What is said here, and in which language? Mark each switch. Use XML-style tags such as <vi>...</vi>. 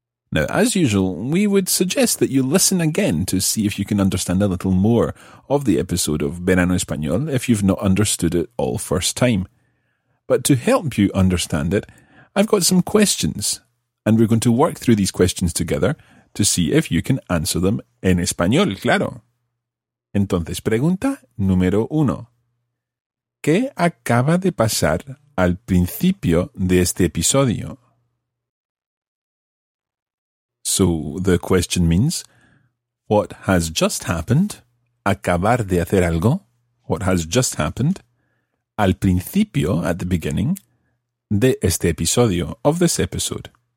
<en>Now, as usual, we would suggest that you listen again to see if you can understand a little more of the episode of Verano Español if you've not understood it all first time. But to help you understand it, I've got some questions, and we're going to work through these questions together to see if you can answer them</en> <es>en español, claro. Entonces, pregunta número uno. ¿Qué acaba de pasar al principio de este episodio?</es> <en>So, the question means, what has just happened?</en> <es>Acabar de hacer algo.</es> <en>What has just happened?</en> <es>Al principio,</es> <en>at the beginning,</en> <es>de este episodio,</es> <en>of this episode.</en>